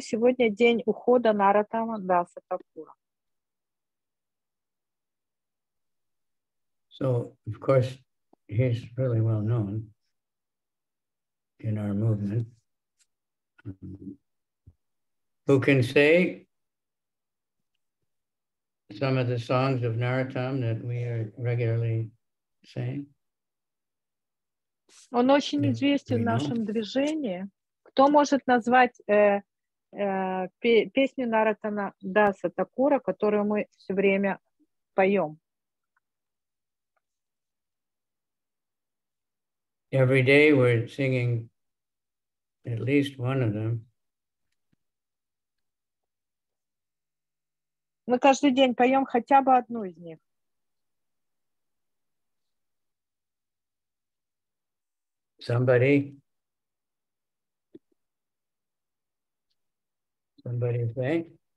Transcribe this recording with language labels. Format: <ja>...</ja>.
<ru>Сегодня день ухода Нараттама Даса Такура.</ru> <en>So, of course, he's really well known in our movement. Who can say some of the songs of Narottam that we are regularly saying?</en> <ru>Он очень известен в нашем движении. Кто может назвать песни Наратана Даса Такура, которую мы все время поем?</ru> <en>Every day we're singing at least one of them.</en> <ru>Мы каждый день поем хотя бы одну из них.</ru> <en>Somebody say?</en>